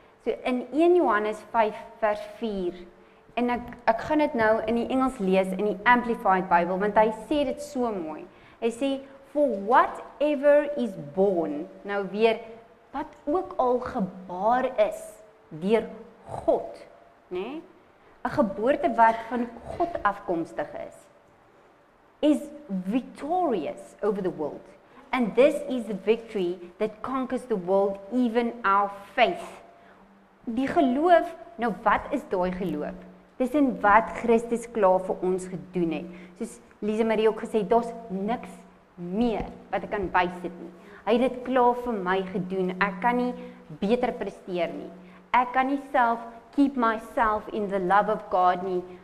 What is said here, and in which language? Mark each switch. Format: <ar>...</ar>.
<af>So in 1 Johannes 5 vers 4 en ek gaan dit nou in die Engels lees in die Amplified Bible want hy sê dit so mooi. Hy sê</af> <en>for whatever is born,</en> <af>nou weer wat ook al gebaar is deur God, né? 'n Geboorte wat van God afkomstig is.</af> <en>Is victorious over the world. And this is the victory that conquers the world, even our faith.</en> <af>Die geloof, nou wat is daai geloof? Dis in wat Christus klaar vir ons gedoen het. Soos Lise Marie ook gesê, daar's niks meer wat ek kan bysit nie. Hy het dit klaar vir my gedoen. Ek kan nie beter presteer nie. Ek kan nie self</af> <en>keep myself in the love of God</en> <af>nie.</af>